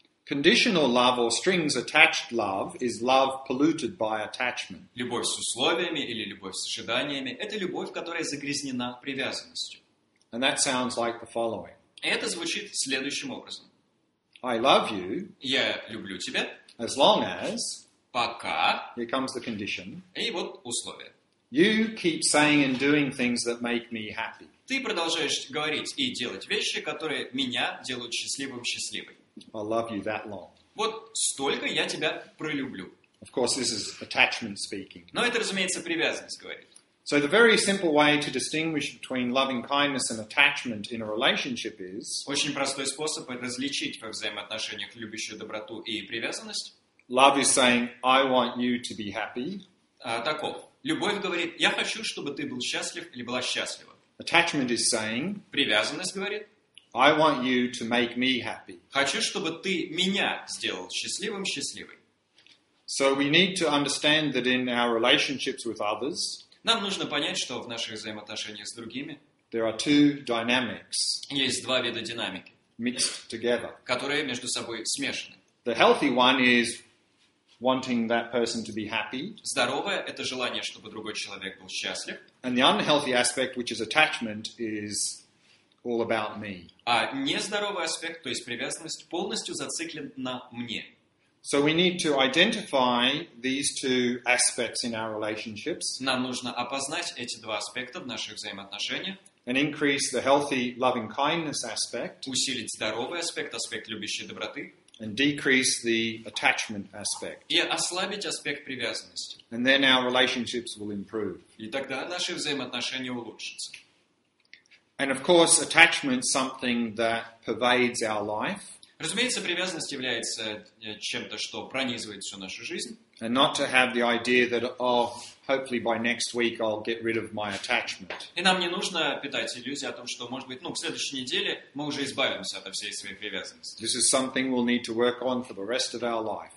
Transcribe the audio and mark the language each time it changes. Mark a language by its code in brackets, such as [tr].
[en] Conditional love or strings attached love is love polluted by attachment. [ru] Любовь с условиями или любовь с ожиданиями – это любовь, которая загрязнена привязанностью. [en] And that sounds like the following. [ru] Это звучит следующим образом. [en] I love you. [ru] Я люблю тебя. [en] As long as. [ru] Пока. [en] Here comes the condition. [ru] И вот условие. [en] You keep saying and doing things that make me happy. [ru] Ты продолжаешь говорить и делать вещи, которые меня делают счастливым счастливой. [en] I love you that long. [ru] Вот столько я тебя пролюблю. [en] Of course, this is attachment speaking. [ru] Но это, разумеется, привязанность говорит. [en] So the very simple way to distinguish between loving kindness and attachment in a relationship is. [ru] Очень простой способ различить во взаимоотношениях любящую доброту и привязанность. [en] Love is saying, I want you to be happy. [ru] Таков. Любовь говорит, я хочу, чтобы ты был счастлив или была счастлива. [en] Attachment is saying. [ru] Привязанность говорит. [en] I want you to make me happy. [ru] Хочу, чтобы ты меня сделал счастливым счастливой. [en] So we need to understand that in our relationships with others. [ru] Нам нужно понять, что в наших взаимоотношениях с другими [en] there are two dynamics, [ru] есть два вида динамики, [en] mixed together. [ru] Которые между собой смешаны. [en] The healthy one is wanting that person to be happy. [ru] Здоровое – это желание, чтобы другой человек был счастлив. [en] And the unhealthy aspect, which is attachment, is all about me. [ru] А нездоровый аспект, то есть привязанность, полностью зациклен на мне. [en] So we need to identify these two aspects in our relationships. [ru] Нам нужно опознать эти два аспекта в наших взаимоотношениях. [en] And increase the healthy loving kindness aspect. [ru] Усилить здоровый аспект, аспект любящей доброты. [en] And decrease the attachment aspect. [ru] И ослабить аспект привязанности. [en] And then our relationships will improve. [ru] И тогда наши взаимоотношения улучшатся. [en] And of course, attachment is something that pervades our life. [ru] Разумеется, привязанность является чем-то, что пронизывает всю нашу жизнь. [en] And not to have the idea that, oh, hopefully by next week I'll get rid of my attachment. [ru] И нам не нужно питать иллюзии о том, что, может быть, ну, к следующей неделе мы уже избавимся от всей своей привязанности. [en] This is something we'll need to work on for the rest of our life.